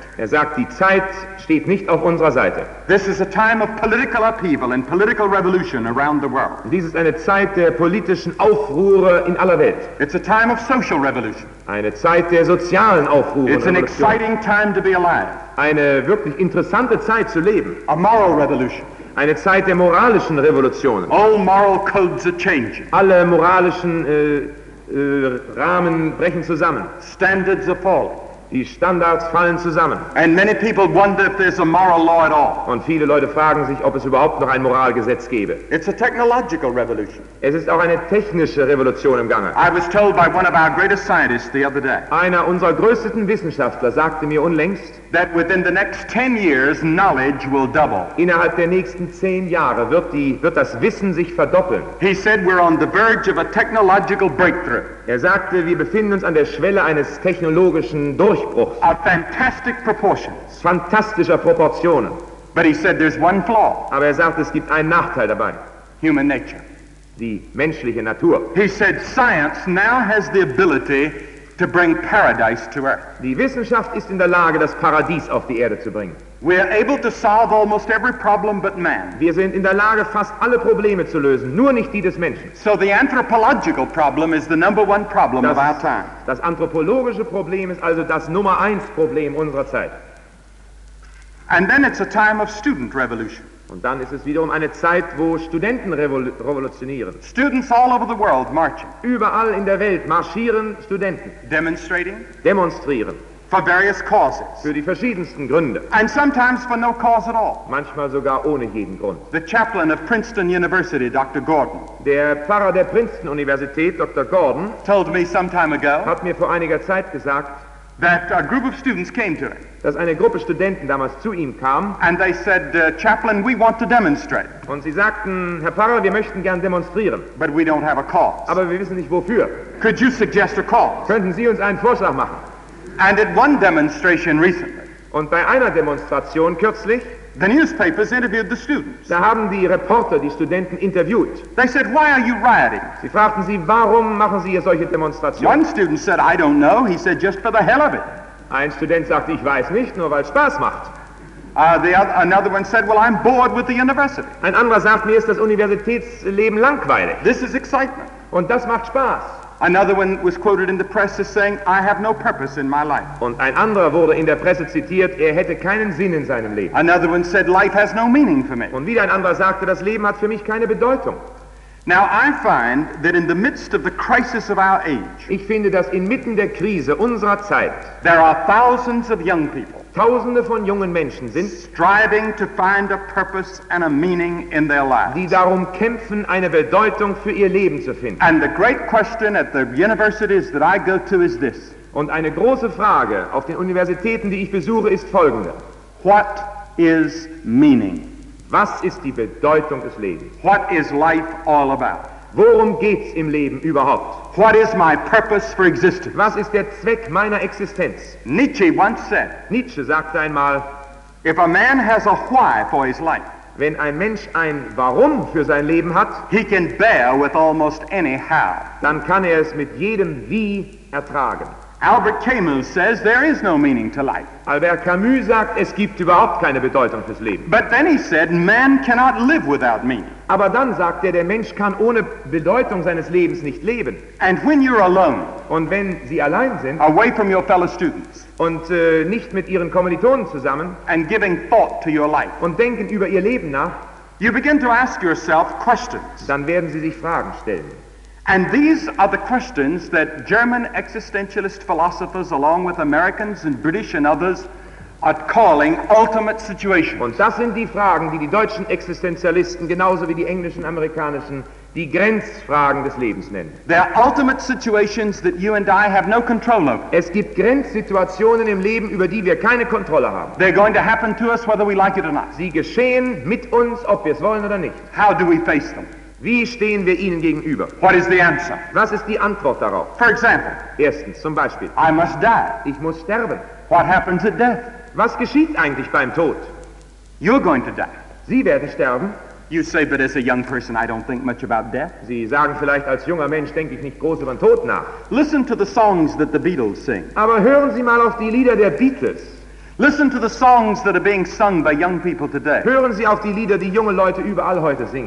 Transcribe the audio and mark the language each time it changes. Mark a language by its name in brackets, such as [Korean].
[German] Er sagt, die Zeit steht nicht auf unserer Seite. [English] This is a time of political upheaval and political revolution around the world. [German] Dies ist eine Zeit der politischen Aufruhre in aller Welt. [English] It's a time of social revolution. [German] Eine Zeit der sozialen Aufruhr. [English] It's an exciting time to be alive. [German] Eine wirklich interessante Zeit zu leben. [English] A moral revolution. [German] Eine Zeit der moralischen Revolutionen. [English] All moral codes are changing. [German] Alle moralischen Rahmen brechen zusammen. [English] Standards are falling. [German] Die Standards fallen zusammen. [English] And many people wonder if there's a moral law at all. [German] Und viele Leute fragen sich, ob es überhaupt noch ein Moralgesetz gäbe. [English] It's a technological revolution. [German] Es ist auch eine technische Revolution im Gange. [English] I was told by one of our greatest scientists the other day. [German] Einer unserer größten Wissenschaftler sagte mir unlängst, [English] that within the next 10 years knowledge will double. [German] Innerhalb der nächsten 10 Jahre wird das Wissen sich verdoppeln. [English] He said we're on the verge of a technological breakthrough. [German] Er sagte, wir befinden uns an der Schwelle eines technologischen Durchbruchs. [English] Of fantastic proportions. [German] Fantastischer Proportionen. [English] But he said there's one flaw. [German] Aber er sagte, es gibt einen Nachteil dabei. [English] Human nature. [German] Die menschliche Natur. [English] He said science now has the ability to bring paradise to earth. [German] Die Wissenschaft ist in der Lage, das Paradies auf die Erde zu bringen. [English] We are able to solve almost every problem but man. [German] Wir sind in der Lage, fast alle Probleme zu lösen, nur nicht die des Menschen. [English] So the anthropological problem is the number one problem of our time. [German] Das anthropologische Problem ist also das Nummer eins Problem unserer Zeit. [English] And then it's a time of student revolution. [German] Und dann ist es wiederum eine Zeit, wo Studenten revolutionieren. [English] Students all over the world marching. [German] Überall in der Welt marschieren Studenten. [English] Demonstrating. [German] Demonstrieren. [English] For various causes. [German] Für die verschiedensten Gründe. [English] And sometimes for no cause at all. [German] Manchmal sogar ohne jeden Grund. [English] The chaplain of Princeton University, Dr. Gordon. [German] Der Pfarrer der Princeton Universität, Dr. Gordon, [English] told me some time ago, [German] hat mir vor einiger Zeit gesagt, [English] that a group of students came to him. [German] Dass eine Gruppe Studenten damals zu ihm kam. [English] And they said, Chaplain, we want to demonstrate. [German] Und sie sagten, Herr Pfarrer, wir möchten gern demonstrieren. [English] But we don't have a cause. [German] Aber wir wissen nicht wofür. [English] Could you suggest a cause? [German] Könnten Sie uns einen Vorschlag machen? [English] And at one demonstration recently. [German] Und bei einer Demonstration kürzlich. [English] The newspapers interviewed the students. [German] Da haben die Reporter die Studenten interviewt. [English] They said, why are you rioting? [German] Sie fragten sie, warum machen Sie hier solche Demonstrationen? [English] One student said, I don't know. He said, just for the hell of it. [German] Ein Student sagte, ich weiß nicht, nur weil es Spaß macht. [English] Another one said, well, I'm bored with the university. [German] Ein anderer sagt, mir ist das Universitätsleben langweilig. [English] This is excitement. [German] Und das macht Spaß. [English] Another one was quoted in the press as saying, I have no purpose in my life. [German] Und ein anderer wurde in der Presse zitiert, er hätte keinen Sinn in seinem Leben. [English] Another one said, life has no meaning for me. [German] Und wieder ein anderer sagte, das Leben hat für mich keine Bedeutung. [English] Now I find that in the midst of the crisis of our age, [German] ich finde, dass inmitten der Krise unserer Zeit, [English] there are thousands of young people, [German] Tausende von jungen Menschen sind, [English] striving to find a purpose and a meaning in their lives, [German] die darum kämpfen, eine Bedeutung für ihr Leben zu finden. [English] And the great question at the universities that I go to is this. [German] Und eine große Frage auf den Universitäten, die ich besuche, ist folgende. [English] What is meaning? [German] Was ist die Bedeutung des Lebens? [English] What is life all about? [German] Worum geht's im Leben überhaupt? [English] What is my purpose for existence? [German] Was ist der Zweck meiner Existenz? [English] Nietzsche once said. [German] Nietzsche sagte einmal, [English] if a man has a why for his life, [German] wenn ein Mensch ein Warum für sein Leben hat, [English] he can bear with almost any how. [German] Dann kann er es mit jedem Wie ertragen. [English] Albert Camus says there is no meaning to life. [German] Albert Camus sagt, es gibt überhaupt keine Bedeutung fürs Leben. [English] But then he said, man cannot live without meaning. [German] Aber dann sagt er, der Mensch kann ohne Bedeutung seines Lebens nicht leben. [English] And when you're alone, [German] und wenn Sie allein sind, [English] away from your fellow students, [German] und nicht mit Ihren Kommilitonen zusammen, [English] and giving thought to your life, [German] und denken über Ihr Leben nach, [English] you begin to ask yourself questions. [German] Dann werden Sie sich Fragen stellen. [English] And these are the questions that German existentialist philosophers, along with Americans and British and others, are calling ultimate situations. [German] Und das sind die Fragen, die die deutschen Existenzialisten genauso wie die englischen, amerikanischen die Grenzfragen des Lebens nennt. [English] There are ultimate situations that you and I have no control over. [German] Es gibt Grenzsituationen im Leben, über die wir keine Kontrolle haben. [English] They're going to happen to us whether we like it or not. [German] Sie geschehen mit uns, ob wir es wollen oder nicht. [English] How do we face them? [German] Wie stehen wir ihnen gegenüber? [English] What is the answer? [German] Was ist die Antwort darauf? [English] For example. [German] Erstens, zum Beispiel. [English] I must die. [German] Ich muss sterben. [English] What happens at death? [German] Was geschieht eigentlich beim Tod? [English] You're going to die. [German] Sie werden sterben. [English] You say, but as a young person, I don't think much about death. [German] Sie sagen vielleicht, als junger Mensch denke ich nicht groß über den Tod nach. [English] Listen to the songs that the Beatles sing. [German] Aber hören Sie mal auf die Lieder der Beatles. [English] Listen to the songs that are being sung by young people today. [German] Hören Sie auf die Lieder, die junge Leute überall heute singen.